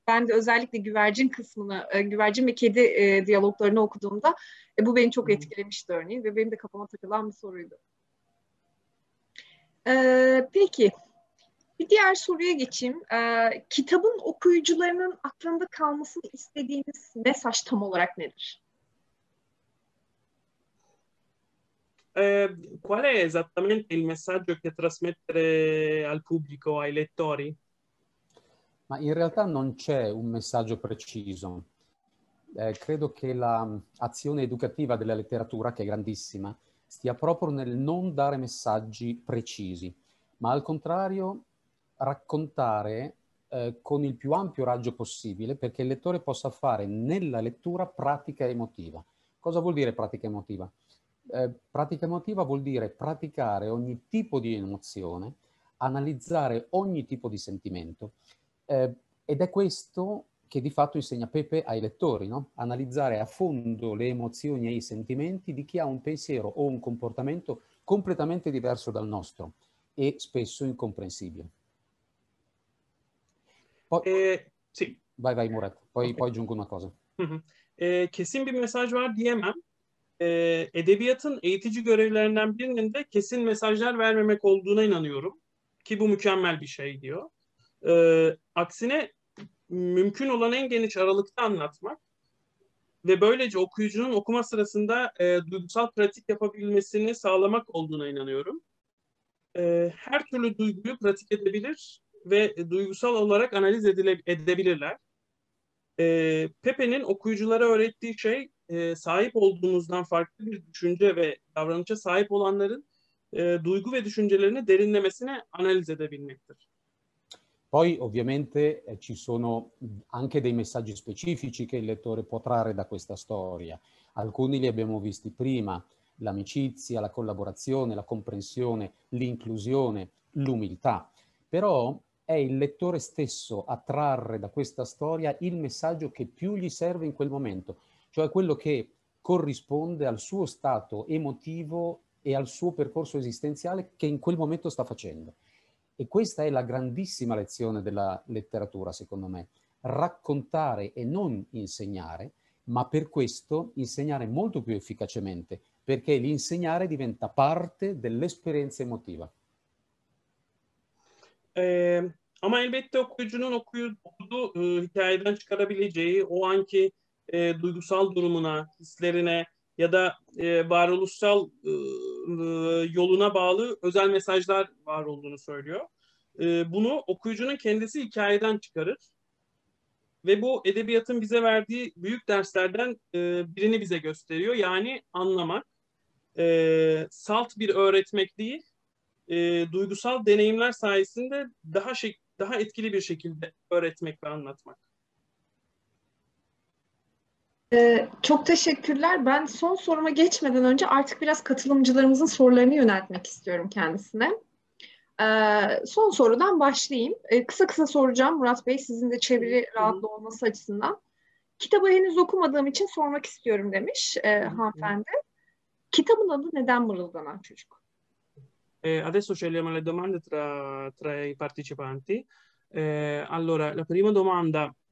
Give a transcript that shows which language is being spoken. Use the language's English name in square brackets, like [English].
[Turkish] Ben de özellikle güvercin kısmını, güvercin ve kedi diyaloglarını okuduğumda bu beni çok etkilemişti örneğin ve benim de kafama takılan bir soruydu. Peki, bir diğer soruya geçeyim. Kitabın okuyucularının aklında kalmasını istediğiniz mesaj tam olarak nedir? [Italian] Qual è esattamente il messaggio che trasmettere al pubblico, ai lettori? Ma in realtà non c'è un messaggio preciso. Credo che l'azione educativa della letteratura, che è grandissima, stia proprio nel non dare messaggi precisi, ma al contrario raccontare con il più ampio raggio possibile perché il lettore possa fare nella lettura pratica emotiva. Cosa vuol dire pratica emotiva? Pratica emotiva vuol dire praticare ogni tipo di emozione, analizzare ogni tipo di sentimento ed è questo che di fatto insegna Pepe ai lettori, no? Analizzare a fondo le emozioni e i sentimenti di chi ha un pensiero o un comportamento completamente diverso dal nostro e spesso incomprensibile. Poi, sì. Vai, vai, Murat, poi aggiungo una cosa. [Turkish] Kesin bir mesaj var diyemem. Edebiyatın eğitici görevlerinden birinin de kesin mesajlar vermemek olduğuna inanıyorum. Ki bu mükemmel bir şey diyor. Aksine mümkün olan en geniş aralıkta anlatmak ve böylece okuyucunun okuma sırasında duygusal pratik yapabilmesini sağlamak olduğuna inanıyorum. Her türlü duyguyu pratik edebilir ve duygusal olarak analiz edebilirler. Pepe'nin okuyuculara öğrettiği şey sahip olduğumuzdan farklı bir düşünce ve davranışa sahip olanların duygu ve düşüncelerini derinlemesine analiz edebilmektir. [Italian] Poi ovviamente ci sono anche dei messaggi specifici che il lettore può trarre da questa storia. Alcuni li abbiamo visti prima, l'amicizia, la collaborazione, la comprensione, l'inclusione, l'umiltà. Però è il lettore stesso a trarre da questa storia il messaggio che più gli serve in quel momento, cioè quello che corrisponde al suo stato emotivo e al suo percorso esistenziale che in quel momento sta facendo. E questa è la grandissima lezione della letteratura, secondo me. Raccontare e non insegnare, ma per questo insegnare molto più efficacemente, perché l'insegnare diventa parte dell'esperienza emotiva. [Turkish] Ama elbette okuyucunun okuduğu hikayeden çıkarabileceği o anki duygusal durumuna, hislerine ya da varoluşsal yoluna bağlı özel mesajlar var olduğunu söylüyor. Bunu okuyucunun kendisi hikayeden çıkarır ve bu edebiyatın bize verdiği büyük derslerden birini bize gösteriyor. Yani anlamak, salt bir öğretmek değil, duygusal deneyimler sayesinde daha etkili bir şekilde öğretmek ve anlatmak. Çok teşekkürler. Ben son soruma geçmeden önce artık biraz katılımcılarımızın sorularını yöneltmek istiyorum kendisine. Son sorudan başlayayım. Kısa kısa soracağım Murat Bey, sizin de çeviri rahatlığı olması açısından. Kitabı henüz okumadığım için sormak istiyorum demiş hanımefendi. Kitabın adı neden Mırıldanan Çocuk? [Italian] Adesso scegliamo le domande tra i partecipanti. Allora, la prima domanda...